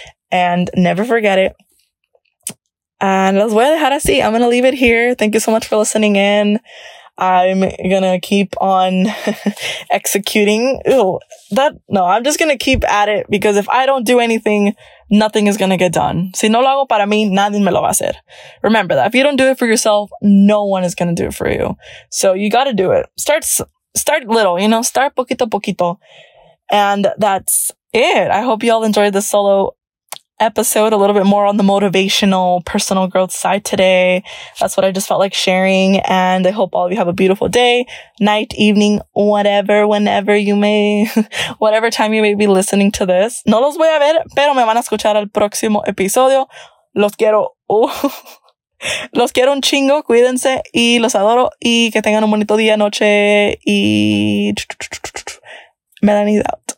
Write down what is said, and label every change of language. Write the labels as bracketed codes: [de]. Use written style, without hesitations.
[en] And never forget it. And [es] las voy a dejar así. [en] I'm going to leave it here. Thank you so much for listening in. I'm going to keep on executing. I'm just going to keep at it, because if I don't do anything, nothing is going to get done. [es] Si no lo hago para mí, nadie me lo va a hacer. [en] Remember that. If you don't do it for yourself, no one is going to do it for you. So you got to do it. Start little, you know, start [es] poquito a poquito. [en] And that's it. I hope you all enjoyed the solo episode a little bit more on the motivational personal growth side today. That's what I just felt like sharing, and I hope all of you have a beautiful day, night, evening, whatever, whenever you may, whatever time you may be listening to this. [es] No los voy a ver, pero me van a escuchar al próximo episodio. Los quiero. Los quiero un chingo, cuídense y los adoro y que tengan un bonito día, noche y [en] Melanie's out.